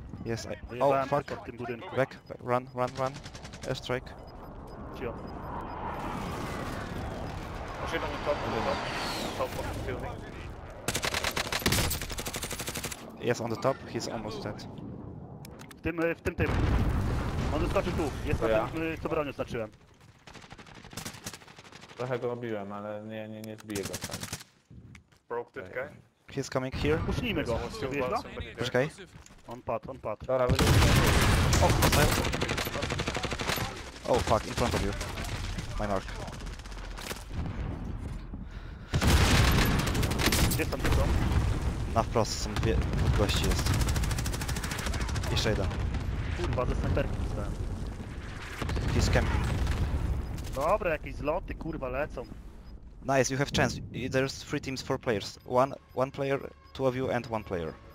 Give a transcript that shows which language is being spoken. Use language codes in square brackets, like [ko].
[en] Yes, oh fuck. Back, run. Airstrike. Chill. I should on top of the top of the building. Yes, on the top, he's almost dead. [pl] W tym. On zeskoczył tu, jest na tym, co bronię znaczyłem. Trochę go obiłem, ale nie zbiję go sam. [en] Broke that guy. He's coming here. [pl] Puszlijmy go, wyjeżdża. Poczekaj. On padł. Dobra, wyjeżdżę. [en] Oh, hostile. Oh fuck, in front of you. My mark. [pl] Gdzie tam tylko? Na wprost, są dwie gości jest. Jeszcze jeden. Kurwa, ze snajperki dostałem. [en] He's camping. [pl] Dobra, jakieś zloty, kurwa, lecą. [en] Nice, you have chance. There's three teams, four players. One player, two of you and one player.